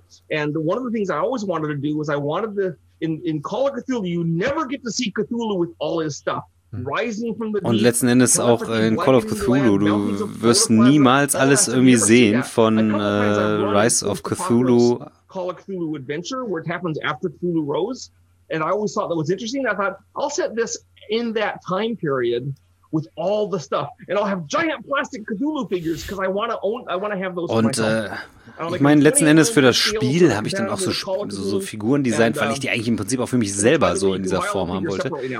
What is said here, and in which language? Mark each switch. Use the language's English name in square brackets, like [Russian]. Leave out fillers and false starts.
[English] And one of the things I always wanted to do was I wanted to in Call of Cthulhu, you never get to see Cthulhu with all his stuff. [German] Und letzten Endes auch in Call of Cthulhu, du wirst niemals alles irgendwie sehen von Rise of Cthulhu. [English] Call of Cthulhu Adventure, where it happens after Cthulhu Rose. And I always thought that was interesting. I thought, I'll set this in that time period with all the stuff. And I'll have giant plastic Cthulhu figures, because I want to own, I want to have those. [German] Und ich meine, letzten Endes für das Spiel habe ich dann auch so Figuren designt, weil ich die eigentlich im Prinzip auch für mich selber so in dieser Form haben wollte.